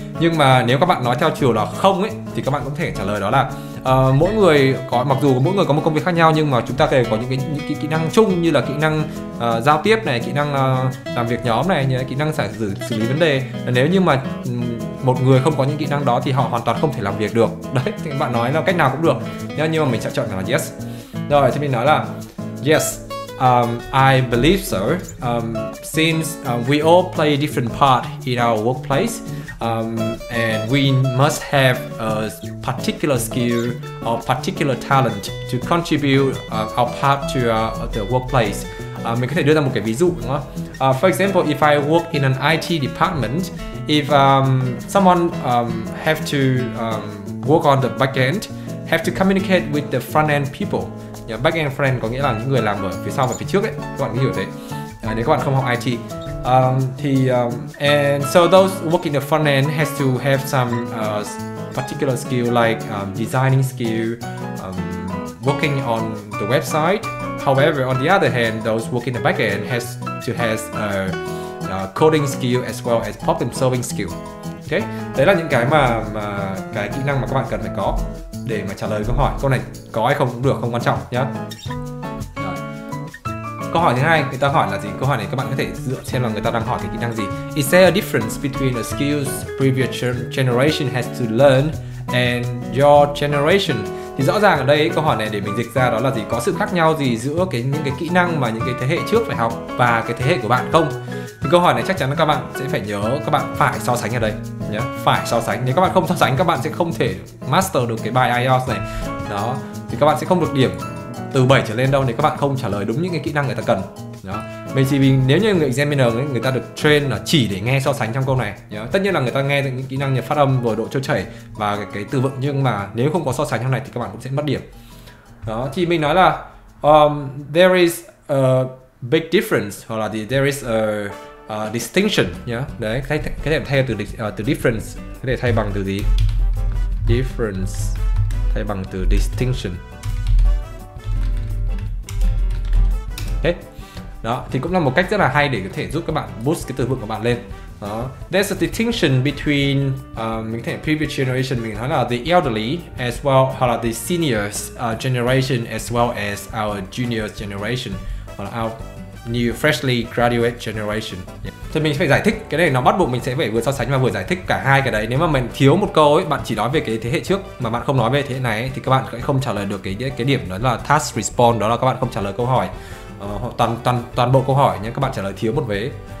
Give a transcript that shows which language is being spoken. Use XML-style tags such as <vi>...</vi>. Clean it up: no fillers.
<vi>Nhưng mà nếu các bạn nói theo chiều là không ấy, thì các bạn cũng có thể trả lời đó là mỗi người có, mặc dù mỗi người có một công việc khác nhau, nhưng mà chúng ta đều có những cái kỹ năng chung, như là kỹ năng giao tiếp này, kỹ năng làm việc nhóm này, như là kỹ năng xử lý vấn đề. Nếu như mà một người không có những kỹ năng đó thì họ hoàn toàn không thể làm việc được. Đấy, thì bạn nói là cách nào cũng được. Nhưng mà mình sẽ chọn là yes. Rồi, thì mình nói là</vi> <en>yes, I believe so. Since we all play a different part in our workplace, and we must have a particular skill or particular talent to contribute our part to the workplace.</en> <vi>Mình có thể đưa ra một cái ví dụ đúng không?</vi> <en>For example, if I work in an IT department, if someone have to work on the backend, have to communicate with the front-end people.</en> <vi>Yeah, back-end friend có nghĩa là những người làm ở phía sau và phía trước ấy, các bạn hiểu thế. Nếu các bạn không học IT.</vi> <en>And so those working the front end has to have some particular skill like designing skill, working on the website. However, on the other hand, those working the back end has to have coding skill as well as problem solving skill.</en> <vi>Okay, đấy là những cái mà cái kỹ năng mà các bạn cần phải có để mà trả lời câu hỏi. Câu này có hay không cũng được, không quan trọng nhá. Câu hỏi thứ hai người ta hỏi là gì? Câu hỏi này các bạn có thể dựa xem là người ta đang hỏi cái kỹ năng gì.</vi> <en>Is there a difference between the skills previous generation has to learn and your generation?</en> <vi>Thì rõ ràng ở đây câu hỏi này để mình dịch ra đó là gì? Có sự khác nhau gì giữa những cái kỹ năng mà những cái thế hệ trước phải học và cái thế hệ của bạn không? Thì câu hỏi này chắc chắn là các bạn sẽ phải nhớ, các bạn phải so sánh ở đây nhé. Phải so sánh. Nếu các bạn không so sánh, các bạn sẽ không thể master được cái bài IELTS này. Đó. Thì các bạn sẽ không được điểm từ 7 trở lên đâu nếu các bạn không trả lời đúng những cái kỹ năng người ta cần. Đó. Mình chỉ vì nếu như người examiner ấy, người ta được train là chỉ để nghe so sánh trong câu này. Đó. Tất nhiên là người ta nghe những kỹ năng như phát âm vừa độ trôi chảy và cái từ vựng, nhưng mà nếu không có so sánh trong này thì các bạn cũng sẽ mất điểm. Đó. Thì mình nói là</vi> <en>there is a big difference,</en> <vi>hoặc là</vi> <en>there is a distinction. Yeah.</en> <vi>Đấy, cái thể thay từ từ difference, có thể thay bằng từ gì? Difference thay bằng từ distinction. Okay. Đó, thì cũng là một cách rất là hay để có thể giúp các bạn boost cái từ vựng của bạn lên.</vi> <en>There's a distinction between</en> <vi>mình thấy</vi> <en>previous generation</en> <vi>mình nói là</vi> <en>the elderly as well</en> <vi>hoặc là</vi> <en>the seniors generation as well as our juniors generation hoặc là our new freshly graduate generation.</en> <vi>Thì mình phải giải thích cái này, nó bắt buộc mình sẽ phải vừa so sánh và vừa giải thích cả hai cái đấy. Nếu mà mình thiếu một câu ấy, bạn chỉ nói về cái thế hệ trước mà bạn không nói về thế hệ này ấy, thì các bạn sẽ không trả lời được cái điểm đó là task response, đó là các bạn không trả lời câu hỏi toàn bộ câu hỏi, nhưng các bạn trả lời thiếu một vế.</vi>